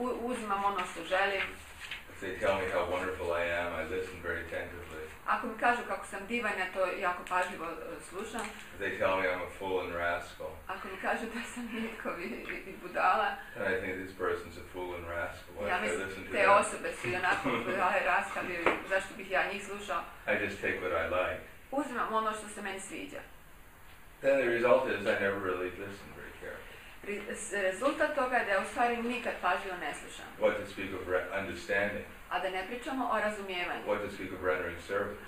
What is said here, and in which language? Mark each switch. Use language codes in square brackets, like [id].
[hr] Uzimam ono što želim. [en] If they tell me how wonderful I am, I listen very attentively. [hr] Ako mi kažu kako sam divan, ja to jako pažljivo slušam. [en] If they tell me I'm a fool and rascal. [hr] Ako mi kažu da sam nitkov i budala. [en] And I think this person's a fool and rascal. Why [hr] ja mislim, te [en] that? [hr] Osobe su onako budala i rascal, zašto bih ja njih slušao? [en] I just take what I like. [hr] Uzimam ono što se meni sviđa. [en] Then the result is I never really listen very carefully. [hr] Rezultat toga je da u stvari nikad pažljivo ne slušam. [en] What to speak of understanding. [hr] A da ne pričamo o razumijevanju. [en] What to speak of rendering service.